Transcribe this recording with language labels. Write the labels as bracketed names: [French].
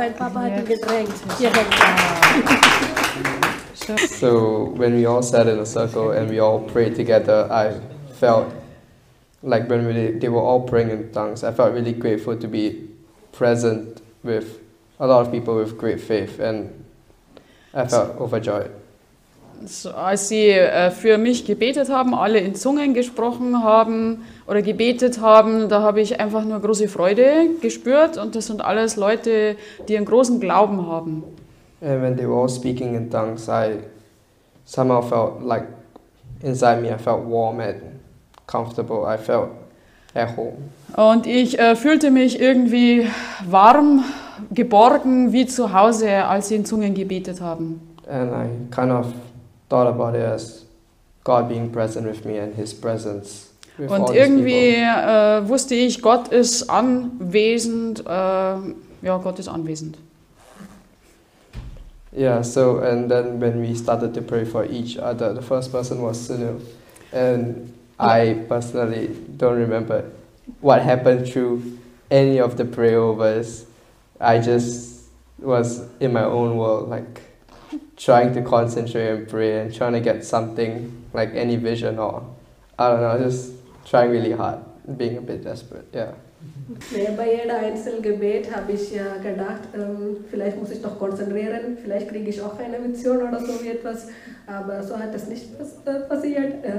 [German] mein Papa hat ihn gedrängt. So [English] when we all sat in a circle and we all prayed together, I felt like when they were all praying in tongues, I felt really grateful to be present with a lot of people with great faith, and I felt overjoyed. [German] So, als sie für mich gebetet haben, alle in Zungen gesprochen haben oder gebetet haben, da habe ich einfach nur große Freude gespürt, und das sind alles Leute, die einen großen Glauben haben. [English] And when they were all speaking in tongues, I somehow felt like inside me, I felt warm and comfortable. I felt at home. [German] Und ich fühlte mich irgendwie warm, geborgen, wie zu Hause, als sie in Zungen gebetet haben. [English] And I kind of thought about it as God being present with me and His presence with all these people. [German] Und irgendwie wusste ich, Gott ist anwesend. Gott ist anwesend. [English] Yeah. So and then when we started to pray for each other, the first person was Sunil, and I personally don't remember what happened through any of the prayer overs. I just was in my own world, like trying to concentrate and pray and trying to get something, like any vision, or I don't know, just trying really hard, being a bit desperate. Yeah. [German] Mehr bei jedem Einzelgebet habe ich ja gedacht, vielleicht muss ich doch konzentrieren, vielleicht kriege ich auch eine Vision oder so wie etwas, aber so hat das nicht passiert.